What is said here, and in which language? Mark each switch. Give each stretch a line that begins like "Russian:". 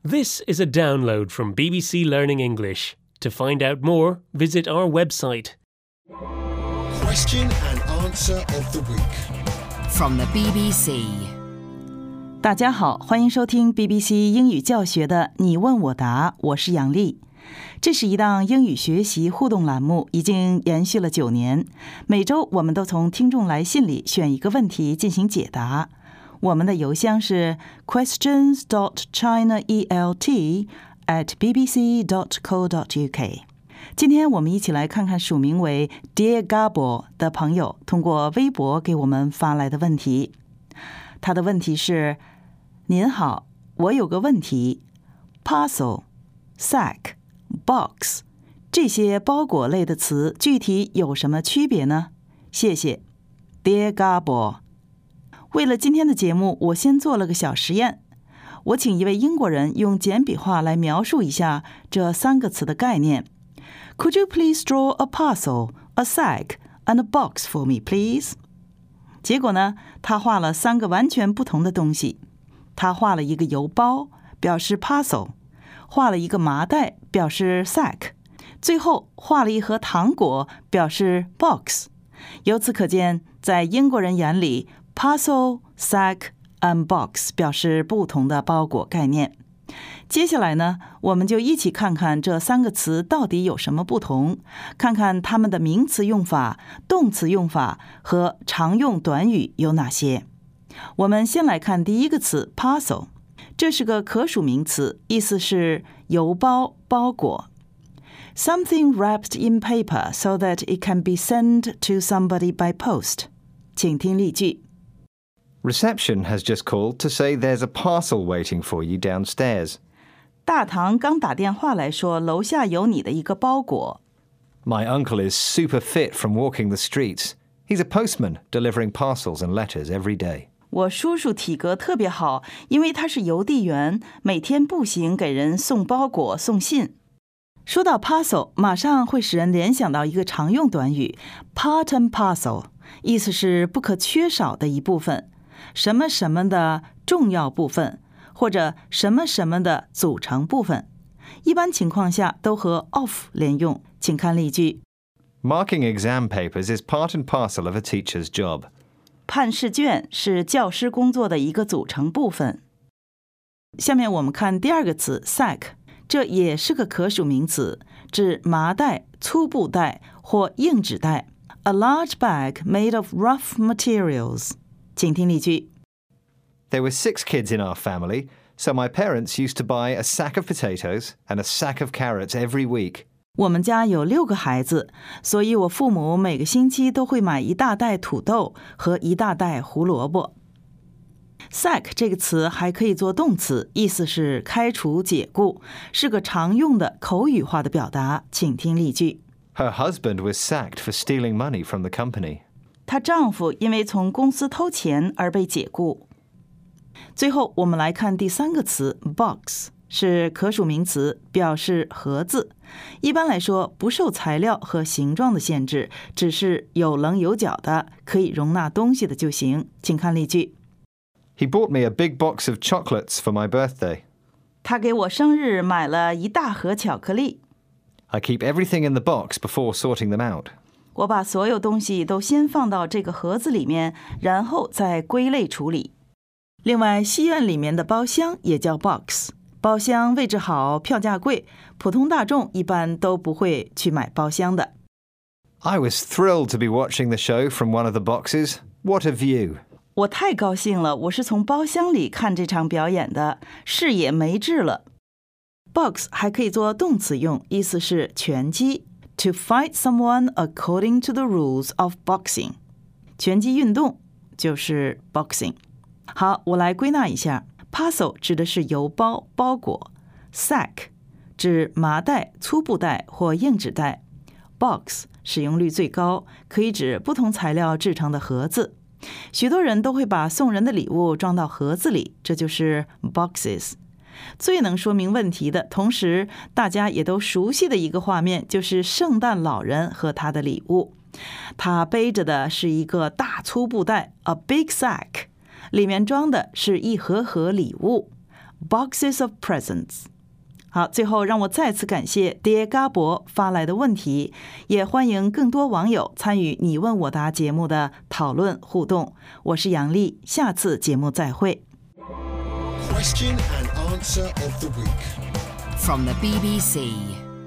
English: This is a download from BBC Learning English. To find out more, visit our website. Question and answer of the week from the BBC.
Chinese: 大家好，欢迎收听 BBC 英语教学的你问我答，我是杨丽。这是一档英语学习互动栏目，已经延续了九年。每周我们都从听众来信里选一个问题进行解答。我们的邮箱是 questions.chinaelt@bbc.co.uk。今天我们一起来看看署名为 Dear Gabo 的朋友通过微博给我们发来的问题。他的问题是，您好，我有个问题， Parcel, Sack, Box 这些包裹类的词具体有什么区别呢？谢谢， Dear Gabo。为了今天的节目，我先做了个小实验。我请一位英国人用简笔画来描述一下这三个词的概念。
English: Could you please draw a parcel, a sack, and a box for me, please?
Chinese: 结果呢，他画了三个完全不同的东西。他画了一个邮包，表示 parcel， 画了一个麻袋，表示 sack， 最后画了一盒糖果，表示 box。由此可见，在英国人眼里，Parcel, sack, and box 表示不同的包裹概念。接下来呢，我们就一起看看这三个词到底有什么不同，看看它们的名词用法、动词用法和常用短语有哪些。我们先来看第一个词 parcel， 这是个可数名词，意思是邮包、包裹。
English: Something wrapped in paper so that it can be sent to somebody by post.
Chinese: 请听例句。
English: Reception has just called to say there's a parcel waiting for you downstairs.
Chinese: 大堂刚打电话来说楼下有你的一个包裹。
English: My uncle is super fit from walking the streets. He's a postman delivering parcels and letters every day.
Chinese: 我叔叔体格特别好，因为他是邮递员，每天步行给人送包裹送信。说到 parcel， 马上会使人联想到一个常用短语
English: part and parcel，
Chinese: 意思是不可缺少的一部分，什么什么的重要部分，或者什么什么的组成部分，一般情况下都和 of 连用。请看例句。
English: Marking exam papers is part and parcel of a teacher's job.
Chinese: 判试卷是教师工作的一个组成部分。下面我们看第二个词 sack， 这也是个可数名词，指麻袋、粗布袋或硬纸袋。
English: A large bag made of rough materials.
Chinese: 请听例句。
English: There were six kids in our family, so my parents used to buy a sack of potatoes and a sack of carrots every week.
Chinese: 我们家有六个孩子，所以我父母每个星期都会买一大袋土豆和一大袋胡萝卜。 Sack 这个词还可以做动词，意思是开除、解雇，是个常用的口语化的表达。请听例句。
English: Her husband was sacked for stealing money from the company.
Chinese: 她丈夫因为从公司偷钱而被解雇。最后我们来看第三个词 box， 是可数名词，表示盒子，一般来说不受材料和形状的限制，只是有棱有角的，可以容纳东西的就行。请看例句。
English: He bought me a big box of chocolates for my birthday.
Chinese: 他给我生日买了一大盒巧克力。
English: I keep everything in the box before sorting them out.
Chinese: 我把所有东西都先放到这个盒子里面，然后再归类处理。另外，戏院里面的包厢也叫 box， 包厢位置好，票价贵，普通大众一般都不会去买包厢的。
English: I was thrilled to be watching the show from one of the boxes. What a view!
Chinese: 我太高兴了，我是从包厢里看这场表演的，视野没治了。 Box 还可以做动词用，意思是拳击。
English: To fight someone according to the rules of boxing.
Chinese: 拳击运动就是 boxing. 好，我来归纳一下。 Parcel 指的是邮包、包裹。Sack 指麻袋、粗布袋或硬纸袋。 Box 使用率最高，可以指不同材料制成的盒子。许多人都会把送人的礼物装到盒子里，这就是 boxes。最能说明问题的，同时大家也都熟悉的一个画面，就是圣诞老人和他的礼物。他背着的是一个大粗布袋 ，
English: a big sack，
Chinese: 里面装的是一盒盒礼物。
English: boxes of presents.
Chinese: 好，最后让我再次感谢 Dear Gabo 发来的问题，也欢迎更多网友参与你问我答节目的讨论互动。我是杨丽，下次节目再会。
English: Question and answer of the week from the BBC.